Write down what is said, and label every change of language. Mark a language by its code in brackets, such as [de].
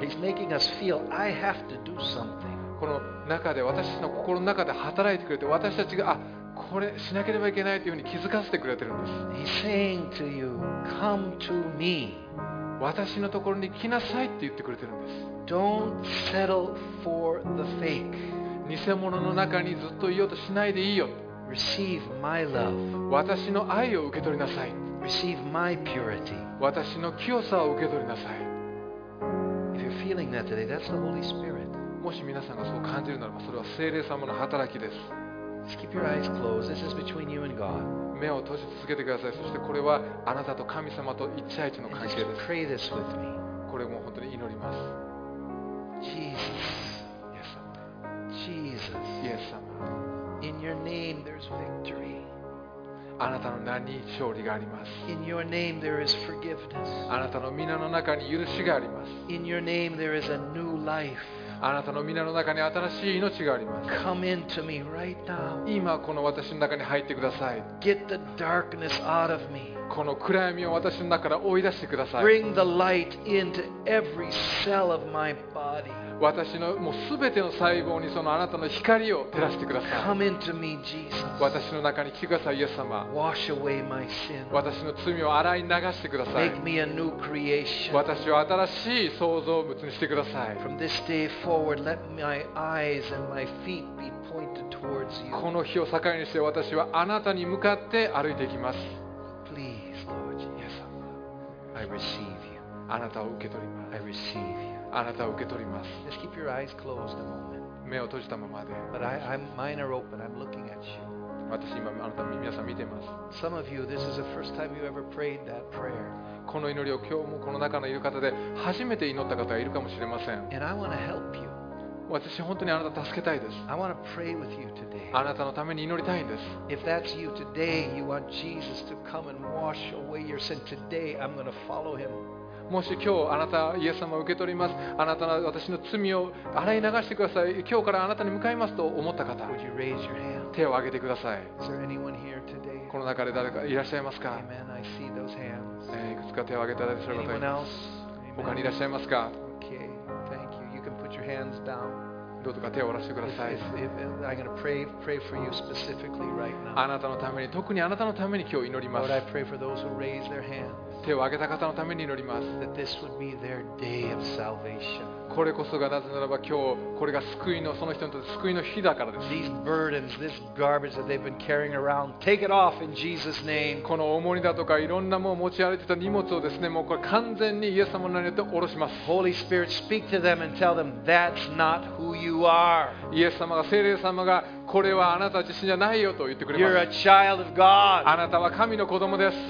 [en] He's making us feel I have to do something. [ja] この中で私の心の中で働いてくれて、私たちがあこれしなければいけないというふうに気づかせてくれてるんです。 [en] He's saying to you, come to me. [ja] 私のところに来なさいって言ってくれてるんです。 [en] Don't settle for the fake. [ja] 偽物の中にずっといようとしないでいいよ。 [en] Receive my love. [ja] 私の愛を受け取りなさい。 [en] Receive my purity. [ja] 私の清さを受け取りなさい。 [en] If you're feeling that today, that's the Holy Spirit. [ja] もし皆さんがそう感じるならば、それは聖霊様の働きです。 [en] Just keep your eyes closed. This is between you and God. [ja] 目を閉じ続けてください。そしてこれはあなたと神様と一対一の関係です。 [en] And just pray this with me. [ja] これも本当に祈ります。 [en] Jesus. Yes, Lord. Jesus. Yes, Lord. In your name, there's victory. [ja] あなたの名に勝利があります。 [en] In your name, there is forgiveness. [ja] あなたの皆の中に許しがあります。 [en] In your name, there is a new life. [ja] あなたの皆の中に新しい命があります。 [en] Come into me right now. [ja] 今この私の中に入ってください。 [en] Get the darkness out of me. [ja] この暗闇を私の中から追い出してください。 [en] Bring the light into every cell of my body. [ja] 私のもう全ての細胞にそのあなたの光を照らしてください。 [en] Me, [ja] 私の中に来てください、イエス様。 [en] Wash away my sin. [ja] 私の罪を洗い流してください。 [en] Make me a new creation. [ja] 私を新しい創造物にしてください。 [en] From this day forward, let my eyes and my feet be pointed towards you. [ja] この日を境にして私はあなたに向かって歩いていきます。 [en] Please, Lord Jesus, I receive you. [ja] あなたを受け取ります。 [en] I receive you. [ja] あなたを受け取ります。 [en] Just keep your eyes closed a moment. [ja] 目を閉じたままで。 [en] But mine are open. I'm looking at you. [ja] 私今あなた皆さん見てます。 [en] Some of you, this is the first time you ever prayed that prayer. [ja] この祈りを今日もこの中のいる方で初めて祈った方がいるかもしれません。 [en] And I want to help you. [ja] 私本当にあなた助けたいです。 [en] I want to pray with you today. [ja] あなたのために祈りたいんです。 [en] If that's you today, you want Jesus to come and wash away your sin today. I'm going to follow him. [ja] もし今日あなたイエス様を受け取ります、あなたの私の罪を洗い流してください、今日からあなたに向かいますと思った方、 [en] Would you raise your hand? [ja] 手を挙げてください。 [en] Is there anyone here today? [ja] この中で誰かいらっしゃいますか。 [en] Amen. I see those hands. [ja] いくつか手を挙げていただいている方、 [en] Anyone else? [ja] 他にいらっしゃいますか。 [en] Okay. Thank you. You can put your hands down. [ja] どうぞか手を下ろしてください。 [en] I'm going to pray for you specifically right now. [ja] あなたのために、特にあなたのために今日祈ります。 [en] Lord, I pray for those who raise their hands. [ja] 手を挙げた方のために祈ります。 [en] That this would be their day of salvation. [ja] これこそがなぜならば今日これが救いの、その人にとって救いの日だからです。 [en] These burdens, this garbage that they've been carrying around, take it off in Jesus' name. [ja] この重荷だとかいろんなもう持ち歩いてた荷物をですね、もうこれ完全にイエス様の名によって下ろします。 [en] Holy Spirit, speak to them and tell them that's not who you are. [ja] イエス様が、聖霊様がこれはあなた自身じゃないよと言ってくれます。 [en] You're a child of God. [ja] あなたは神の子供です。